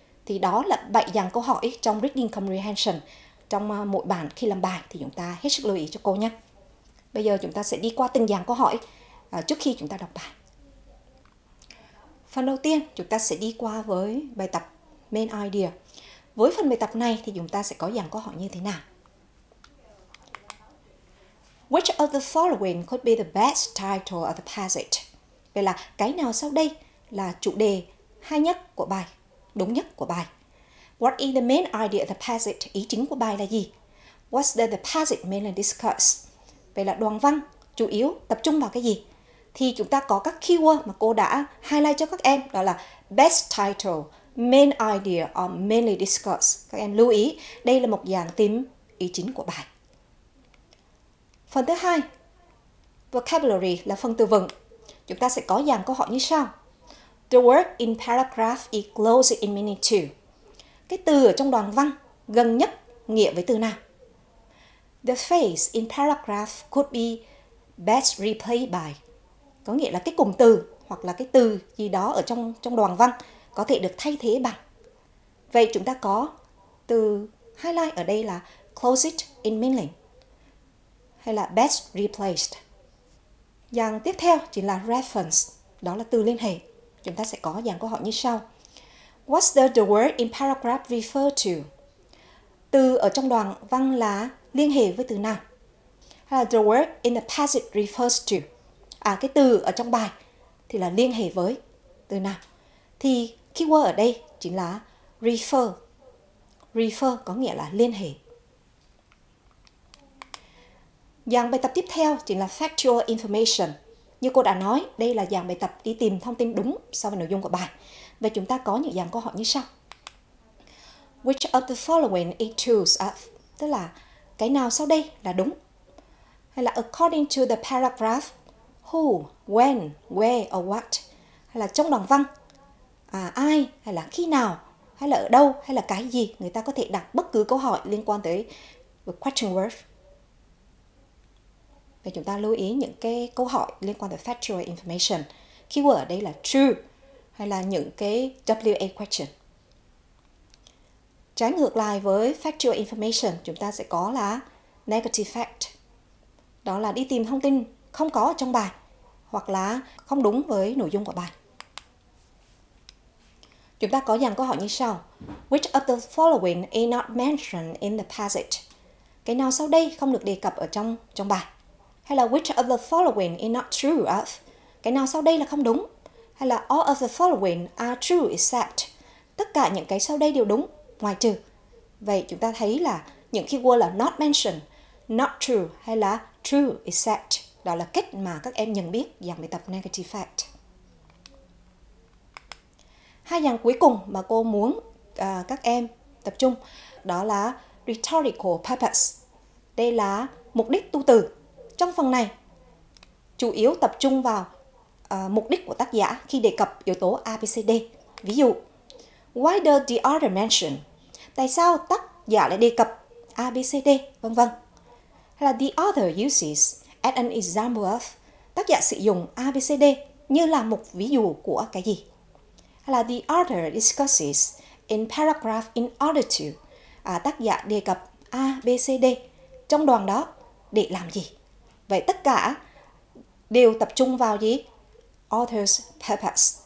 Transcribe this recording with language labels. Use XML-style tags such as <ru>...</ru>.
<vi>Thì đó là 7 dàn câu hỏi trong Reading Comprehension. Trong mỗi bản khi làm bài thì chúng ta hết sức lưu ý cho cô nhé. Bây giờ chúng ta sẽ đi qua từng dàn câu hỏi trước khi chúng ta đọc bài. Phần đầu tiên chúng ta sẽ đi qua với bài tập Main Idea. Với phần bài tập này thì chúng ta sẽ có dàn câu hỏi như thế nào?</vi> <en>Which of the following could be the best title of the passage?</en> <vi>Vậy là cái nào sau đây là chủ đề hay nhất của bài, đúng nhất của bài?</vi> <en>What is the main idea of the passage?</en> <vi>Ý chính của bài là gì?</vi> <en>What's the passage mainly discuss?</en> <vi>Vậy là đoạn văn chủ yếu tập trung vào cái gì? Thì chúng ta có các keyword mà cô đã highlight cho các em, đó là best title, main idea or mainly discuss. Các em lưu ý, đây là một dạng tìm ý chính của bài. Phần thứ hai, vocabulary là phần từ vựng. Chúng ta sẽ có dạng câu hỏi như sau.</vi> <en>The word in paragraph is close in meaning to.</en> <vi>Cái từ ở trong đoạn văn gần nhất nghĩa với từ nào?</vi> <en>The phrase in paragraph could be best replayed by.</en> <vi>Có nghĩa là cái cụm từ hoặc là cái từ gì đó ở trong đoạn văn có thể được thay thế bằng. Vậy chúng ta có từ highlight ở đây là close it in meaning hay là best replaced. Dạng tiếp theo chính là reference, đó là từ liên hệ. Chúng ta sẽ có dạng câu hỏi như sau.</vi> <en>What's the word in paragraph refer to?</en> <vi>Từ ở trong đoạn văn là liên hệ với từ nào? Hay là</vi> <en>the word in the passage refers to?</en> <vi>À, cái từ ở trong bài thì là liên hệ với từ nào? Thì keyword ở đây chính là refer. Refer có nghĩa là liên hệ. Dạng bài tập tiếp theo chính là factual information. Như cô đã nói, đây là dạng bài tập đi tìm thông tin đúng so với nội dung của bài. Và chúng ta có những dạng câu hỏi như sau.</vi> <en>Which of the following is true?</en> <vi>Tức là cái nào sau đây là đúng? Hay là</vi> <en>according to the paragraph, who, when, where or what?</en> <vi>Hay là trong đoạn văn, ai, hay là khi nào, hay là ở đâu, hay là cái gì? Người ta có thể đặt bất cứ câu hỏi liên quan tới</vi> <en>the question word.</en> <vi>Và chúng ta lưu ý những cái câu hỏi liên quan tới factual information. Keyword ở đây là true hay là những cái WA question. Trái ngược lại với factual information, chúng ta sẽ có là negative fact. Đó là đi tìm thông tin không có ở trong bài hoặc là không đúng với nội dung của bài. Chúng ta có dàn câu hỏi như sau.</vi> <en>Which of the following is not mentioned in the passage?</en> <vi>Cái nào sau đây không được đề cập ở trong bài? Hay là</vi> <en>which of the following is not true of?</en> <vi>Cái nào sau đây là không đúng? Hay là</vi> <en>all of the following are true except?</en> <vi>Tất cả những cái sau đây đều đúng, ngoài trừ. Vậy chúng ta thấy là những keyword là not mentioned, not true hay là true except. Đó là cách mà các em nhận biết dạng bài tập negative fact. Hai dạng cuối cùng mà cô muốn các em tập trung đó là rhetorical purpose. Đây là mục đích tu từ. Trong phần này, chủ yếu tập trung vào mục đích của tác giả khi đề cập yếu tố ABCD. Ví dụ,</vi> <en>why does the author mention?</en> <vi>Tại sao tác giả lại đề cập ABCD, vân vân.</vi> <en>Hay là the author uses as an example of?</en> <vi>Tác giả sử dụng ABCD như là một ví dụ của cái gì? Hay là</vi> <en>the author discusses in paragraph in order to?</en> <vi>Tác giả đề cập ABCD trong đoạn đó để làm gì? Vậy tất cả đều tập trung vào gì? Author's purpose.</vi>